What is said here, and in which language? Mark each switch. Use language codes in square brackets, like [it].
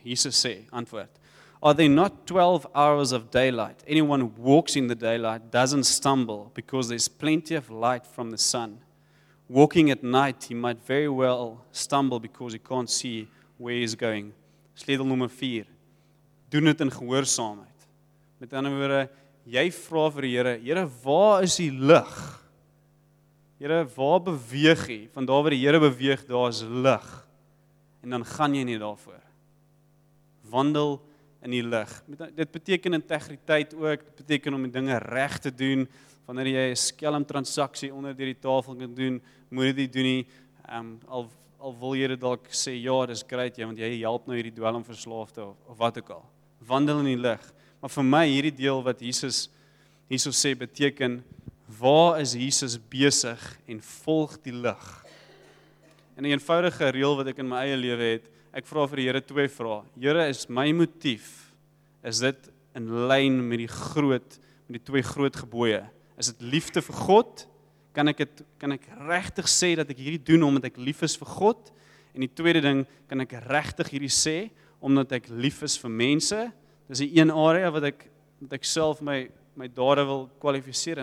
[af] Jesus sê, antwoord, [en] are there not 12 hours of daylight? Anyone who walks in the daylight doesn't stumble because there's plenty of light from the sun. Walking at night, he might very well stumble because he can't see where he's going. [af] Sleutel nommer 4. Doen dit in gehoorsaamheid. Met ander woorde, jy vra vir die Here, Here, waar is die lig? Here, waar beweeg hy? Van daar waar die Here beweeg, daar is lig. En dan gaan jy nie daarvoor. Wandel in die lig. Dit beteken integriteit ook, dit beteken om die dinge reg te doen, wanneer jy 'n skelm transaksie onder die tafel kan doen, moet jy dit doen nie, al wil jy dit dalk sê, ja, dis great, jy, want jy help nou hierdie dwelmverslaafde, of wat ook al. Wandel in die lig. Maar vir my, hierdie deel wat Jesus hierso sê, beteken, waar is Jesus besig en volg die lig? En 'n eenvoudige reël wat ek in my eie lewe het, ek vra vir die Here twee vrae. Here, is my motief, is dit in lyn met die groot, met die twee groot gebooie? Is dit liefde vir God? Kan ek regtig sê dat ek hierdie doen omdat ek lief is vir God? En die tweede ding, kan ek regtig hierdie sê omdat ek lief is vir mense? Dis die een area wat ek self my dade wil kwalifiseer.